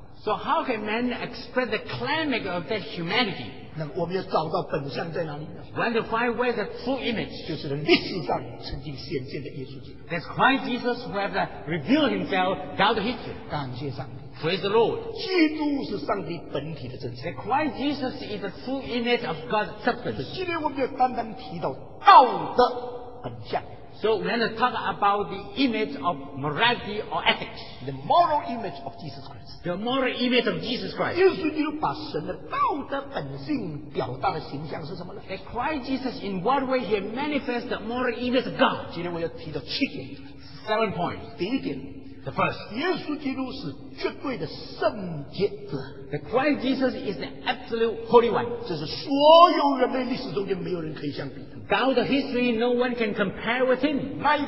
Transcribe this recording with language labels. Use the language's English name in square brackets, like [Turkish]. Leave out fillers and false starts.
[English] So how can man express the climax of that humanity? [Chinese] 那我们要找到本相在哪里呢? [English] When to find where the true image? [Chinese] 就是历史上曾经显现的耶稣基督。 [English] That's Christ Jesus who has revealed himself down to history. [Chinese] 感谢上帝。 [English] Praise the Lord. [Chinese] 基督是上帝本体的真相。 [English] That Christ Jesus is the true image of God's substance. [Chinese] 今天我们要单单提到道德本相。 [English] So we're going to talk about the image of morality or ethics. The moral image of Jesus Christ. The moral image of Jesus Christ. [Chinese] 耶稣基督把神的道德本性表达的形象是什么呢? [English] That Christ Jesus, in what way he manifests the moral image of God. [Chinese] 今天我要提到七点。 [English] 7 points. [Chinese] 第一点, [English] the first. [Chinese] 耶稣基督是绝对的圣洁者。 [English] That Christ Jesus is the absolute holy one. [Chinese] 这是所有人类历史中间没有人可以相比。 [English] Down the history, no one can compare with him.